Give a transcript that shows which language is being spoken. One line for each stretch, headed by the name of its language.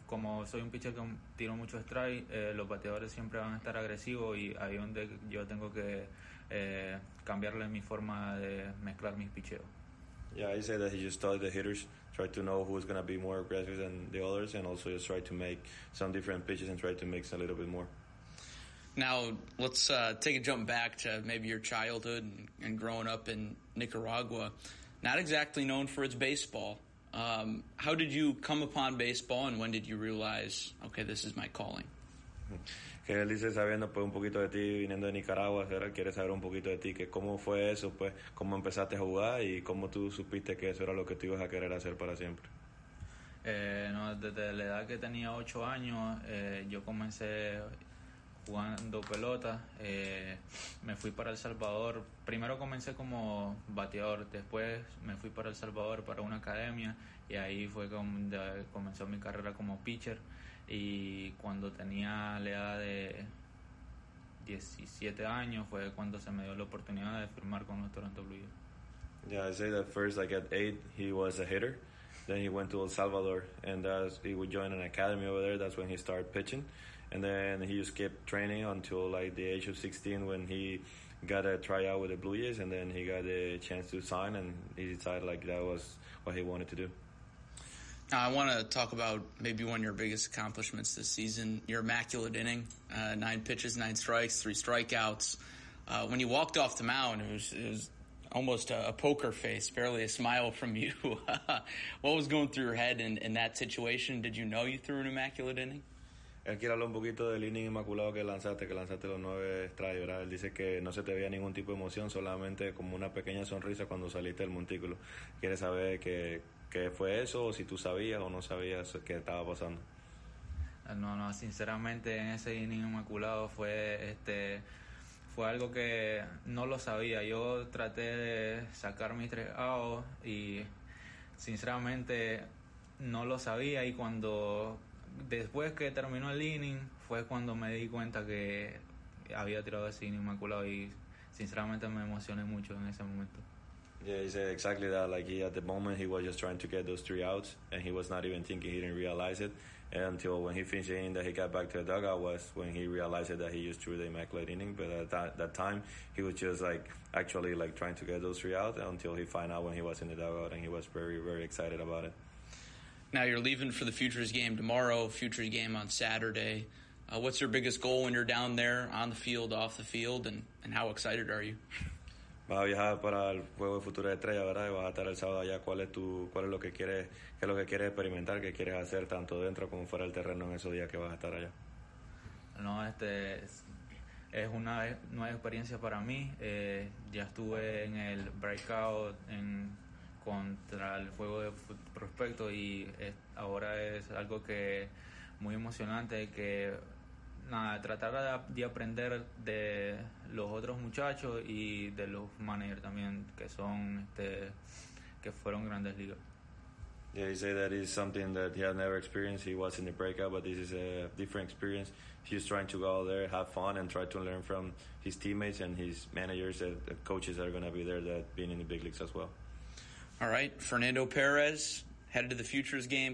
Spanish: Como soy un pitcher que tiro mucho strike, los bateadores siempre van a estar agresivos. Y ahí es donde yo tengo que cambiarle mi forma de mezclar mis picheos.
English: Yeah, he said that he just taught the hitters, try to know who's going to be more aggressive than the others, and also just try to make some different pitches and try to mix a little bit more. Now, let's take a jump back to maybe your childhood and growing up in Nicaragua. Not exactly known for its baseball. How did you come upon baseball, and when did you realize, okay, this is my calling?
Spanish: Que él dice, sabiendo pues un poquito de ti, viniendo de Nicaragua, ¿verdad? Quiere saber un poquito de ti, que cómo fue eso, pues, cómo empezaste a jugar y cómo tú supiste que eso era lo que tú ibas a querer hacer para siempre. No, desde la edad que tenía 8 años, yo comencé jugando pelota, me fui para El Salvador. Primero comencé como bateador, después me fui para El Salvador para una academia y ahí fue donde comenzó mi carrera como pitcher. Y cuando tenía la edad de 17 años fue cuando se me dio la oportunidad de firmar con los Toronto Blue Jays.
English: Yeah, I say that first, like at 8, he was a hitter. Then he went to El Salvador, and he would join an academy over there. That's when he started pitching. And then he just kept training until like the age of 16 when he got a tryout with the Blue Jays, and then he got the chance to sign, and he decided like that was what he wanted to do. Now, I want to talk about maybe one of your biggest accomplishments this season, your immaculate inning, 9 pitches, 9 strikes, 3 strikeouts. When you walked off the mound, it was almost a poker face, barely a smile from you. What was going through your head in that situation? Did you know you threw an immaculate inning?
Spanish: Él quiere hablar un poquito del inning inmaculado que lanzaste los 9 strikes, ¿verdad? Él dice que no se te veía ningún tipo de emoción, solamente como una pequeña sonrisa cuando saliste del montículo. Quiere saber que... ¿Qué fue eso? ¿O si tú sabías o no sabías qué estaba pasando? No, sinceramente en ese inning inmaculado fue algo que no lo sabía. Yo traté de sacar mis 3 outs y sinceramente no lo sabía. Y cuando después que terminó el inning fue cuando me di cuenta que había tirado ese inning inmaculado y sinceramente me emocioné mucho en ese momento.
English: Yeah, he said exactly that. Like, at the moment, he was just trying to get those 3 outs, and he was not even thinking, he didn't realize it. And until when he finished the inning that he got back to the dugout was when he realized it, that he just threw the immaculate inning. But at that time, he was just, like, actually, like, trying to get those 3 outs until he found out when he was in the dugout, and he was very, very excited about it. Now you're leaving for the Futures game tomorrow, Futures game on Saturday. What's your biggest goal when you're down there on the field, off the field, and how excited are you?
Spanish: Vas a viajar para el juego de Futura Estrella, ¿verdad? Y vas a estar el sábado allá. ¿Qué es lo que quieres experimentar? ¿Qué quieres hacer tanto dentro como fuera del terreno en esos días que vas a estar allá? No, es una nueva experiencia para mí. Ya estuve en el breakout contra el juego de prospecto y ahora es algo que muy emocionante que... Nada, tratar de aprender de los otros muchachos y de los managers también que fueron grandes ligas.
English: Yeah, he said that it's something that he had never experienced. He was in the breakout, but this is a different experience. He's trying to go out there, have fun, and try to learn from his teammates and his managers and coaches that are going to be there that being in the big leagues as well. All right, Fernando Perez, headed to the Futures game.